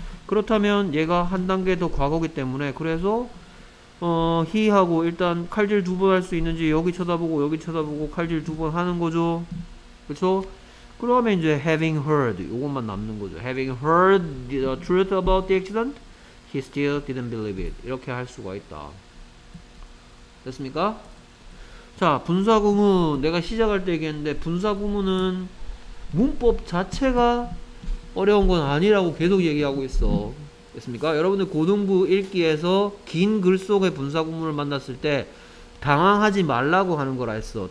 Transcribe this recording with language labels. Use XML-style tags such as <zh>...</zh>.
<ko>그렇다면 얘가 한 단계 더 과거기 때문에 그래서 he하고 일단 칼질 두 번 할 수 있는지 여기 쳐다보고 여기 쳐다보고 칼질 두 번 하는 거죠. 그렇죠? 그러면 이제</ko> <en>having heard</en> <ko>이것만 남는 거죠.</ko> <en>having heard the truth about the accident he still didn't believe it.</en> <ko>이렇게 할 수가 있다. 됐습니까? 자, 분사구문 내가 시작할 때 얘기했는데 분사구문은 문법 자체가 어려운 건 아니라고 계속 얘기하고 있어. 됐습니까? 여러분들 고등부 읽기에서 긴 글 속에 분사구문을 만났을 때 당황하지 말라고 하는 거라 했어.</ko>